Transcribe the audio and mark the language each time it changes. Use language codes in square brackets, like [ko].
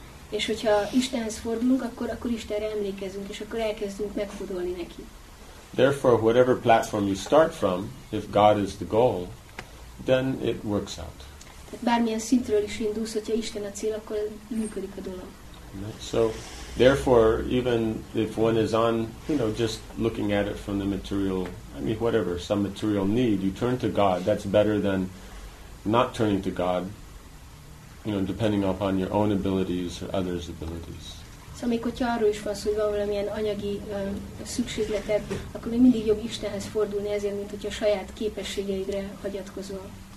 [hu] És hogyha Istenhez fordulunk, akkor Istenre emlékezünk, és akkor elkezdünk megfordulni neki. [en] Therefore, whatever platform you start from, if God is the goal, then it works out. [hu] Tehát bármilyen szintről is indulsz, hogyha Isten a cél, akkor működik a dolog. [en] So, therefore, even if one is on, you know, just looking at it from the material, I mean, whatever, some material need, you turn to God. That's better than not turning to God, you know, depending upon your own abilities or others' abilities. [hu] So, még hogyha arról is van szó, hogy van valamilyen anyagi szükségleted, akkor még mindig jobb Istenhez fordulni ezért, mint hogyha saját képességeidre hagyatkozol.